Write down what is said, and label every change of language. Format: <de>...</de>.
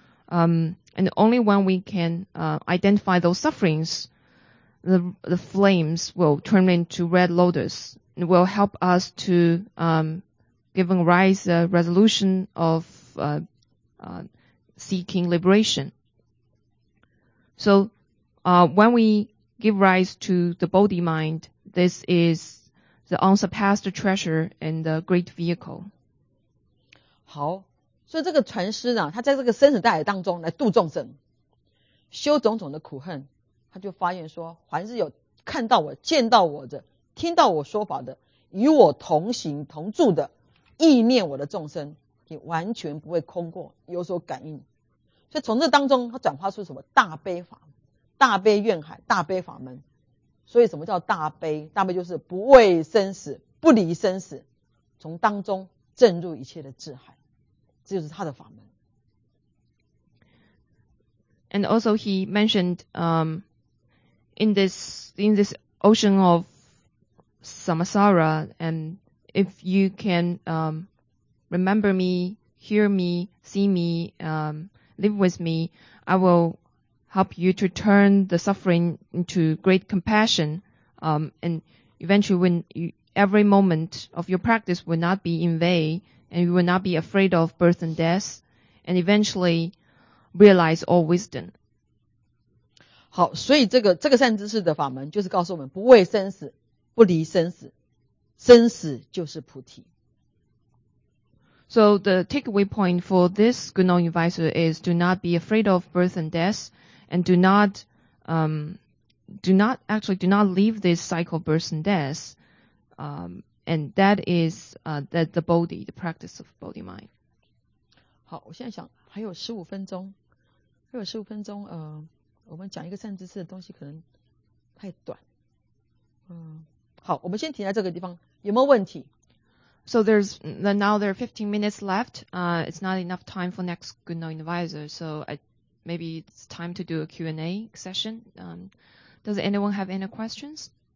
<en>And only when we can, identify those sufferings, the flames will turn into red lotus and will help us to, giving rise a resolution of seeking liberation. So when we give rise to the Bodhi mind, this is the unsurpassed treasure and the great vehicle.</en> <zh>好，所以这个禅师呢，他在这个生死大海当中来度众生，修种种的苦恨，他就发愿说，凡是有看到我、见到我的、听到我说法的、与我同行同住的。意念我的众生也完全不会空过有所感应，所以从这当中他转化出什么大悲法、大悲愿海、大悲法门。所以什么叫大悲？大悲就是不畏生死、不离生死，从当中证入一切的智海，这就是他的法门。</zh> <en>And also he mentioned, in this ocean of samsara andIf you can, remember me, hear me, see me, live with me, I will help you to turn the suffering into great compassion, and eventually every moment of your practice will not be in vain, and you will not be afraid of birth and death, and eventually realize all wisdom.</en> <zh>好，所以这个善知识的法门就是告诉我们不畏生死，不离生死。生死就是菩提。</zh> <en>So the takeaway point for this good knowing advisor is do not be afraid of birth and death, and do not leave this cycle of birth and death, and that is, that the Bodhi, the practice of Bodhi mind.</en> <zh>好，我现在想还有15分钟，还有15分钟，我们讲一个善知识的东西可能太短，好，我们先停在这个地方。有没有问题？</zh> <en>So there's now there are 15 minutes left. It's not enough time for next good knowing advisor. So maybe it's time to do a Q&A session. Does anyone have any questions?</en>